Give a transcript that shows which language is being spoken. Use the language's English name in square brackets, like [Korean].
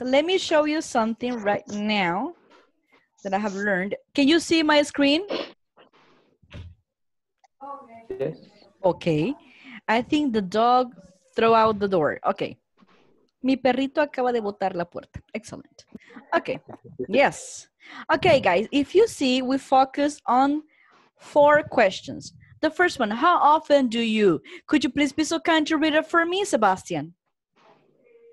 [English] Let me show you something right now that I have learned. Can you see my screen? Yes. Okay, I think the dog threw out the door. [Spanish] Okay, mi perrito acaba de botar la puerta. [English] Excellent. Okay, yes. Okay, guys, if you see, we focus on four questions. The first one, how often do you? Could you please be so kind to read it for me, Sebastian? How often do you